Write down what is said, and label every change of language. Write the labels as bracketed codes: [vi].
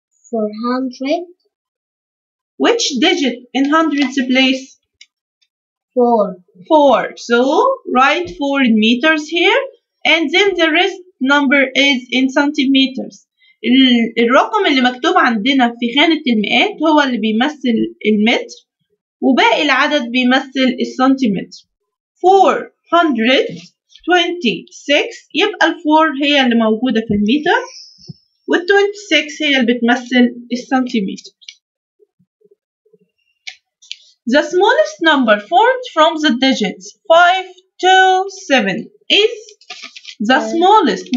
[en] 400. Which digit in hundreds place? 4. 4. So write 4 in meters here, and then the rest number is in centimeters. [ar] الرقم اللي مكتوب عندنا في خانة المئات هو اللي بيمثل المتر، وباقي العدد بيمثل السنتيمتر. 426 يبقى الفور هي اللي موجودة في المتر، وال 26 هي اللي بتمثل السنتيمتر. [en] The smallest number formed from the digits 5 to 7 is the smallest.